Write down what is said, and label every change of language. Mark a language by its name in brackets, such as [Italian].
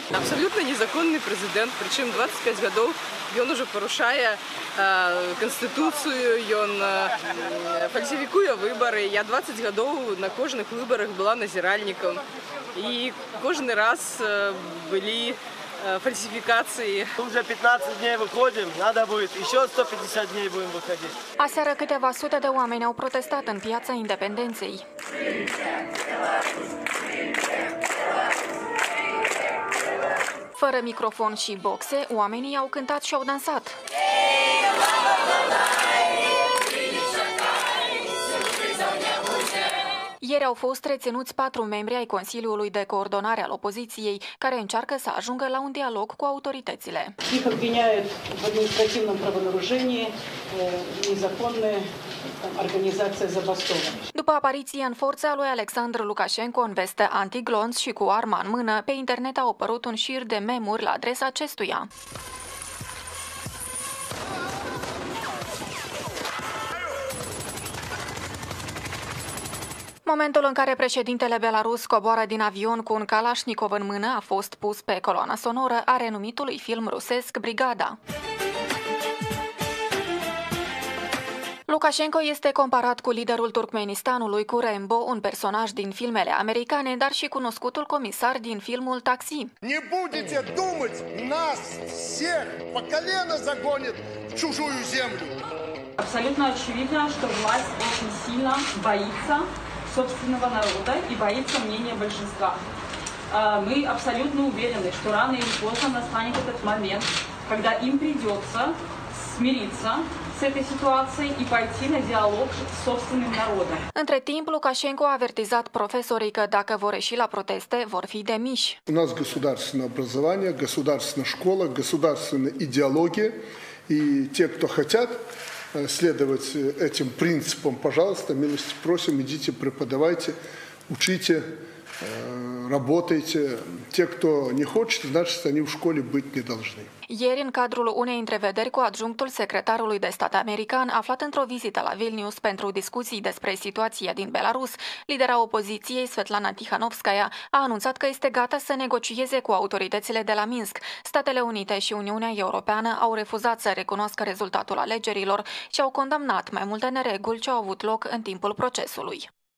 [Russian] Абсолютно незаконный президент, причем 25 годов, и он уже порушая конституцию, и он фальсификуя выборы. Я 20 годов на кожных выборах была назиральником, и каждый раз были... фальсификации. Уже 15 дней выходим, надо будет еще 150 дней будем выходить. [Romanian] Aseară câteva sute de oameni au protestat în Piața Independenței. Fără microfon și boxe, oamenii au cântat și au dansat. Ieri au fost reținuți 4 membri ai Consiliului de Coordonare al Opoziției, care încearcă să ajungă la un dialog cu autoritățile. [Russian] Их обвиняют в административном правонарушении, незаконное организация забастовок. [Romanian] După apariția în forță a lui Alexandru Lukashenko în vestă anti-glonț și cu arma în mână, pe internet a apărut un șir de memuri la adresa acestuia. Momentul în care președintele Belarus coboară din avion cu un Kalashnikov în mână a fost pus pe coloana sonoră a renumitului film rusesc Brigada. Lukashenko este comparat cu liderul Turkmenistanului, cu Rambo, un personaj din filmele americane, dar și cunoscutul comisar din filmul Taxi. [Russian] Не будете думать, нас всех по колено загонит в чужую землю. Абсолютно очевидно, что власть очень сильно боится собственного народа и боится мнения большинства. Мы абсолютно уверены, что рано или поздно настанет этот момент, когда им придется смириться с этой ситуацией и пойти на диалог с собственным народом. [Romanian] Între timp, Lukashenko a avertizat profesorii că dacă vor ieși la proteste, vor fi demiși. [Russian] У нас государственное образование, государственная школа, государственная идеология, и те, кто хотят следовать этим принципам, пожалуйста, милости просим, идите, преподавайте, учите, работайте. Те, кто не хочет, значит, они в школе быть не должны. [Romanian] Ieri, în cadrul unei întrevederi cu adjunctul secretarului de stat american, aflat într-o vizită la Vilnius pentru discuții despre situația din Belarus, lidera opoziției, Svetlana Tihanovskaya, a anunțat că este gata să negocieze cu autoritățile de la Minsk. Statele Unite și Uniunea Europeană au refuzat să recunoască rezultatul alegerilor și au condamnat mai multe nereguli ce au avut loc în timpul procesului.